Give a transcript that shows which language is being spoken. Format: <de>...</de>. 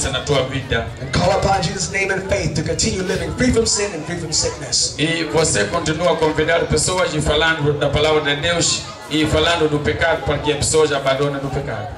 <pt>Na tua vida.</pt> <en>And call upon Jesus' name in faith to continue living free from sin and free from sickness.</en> <pt>E você continua a convidar pessoas e falando da palavra de Deus e falando do pecado para que as pessoas abandonem o pecado.</pt>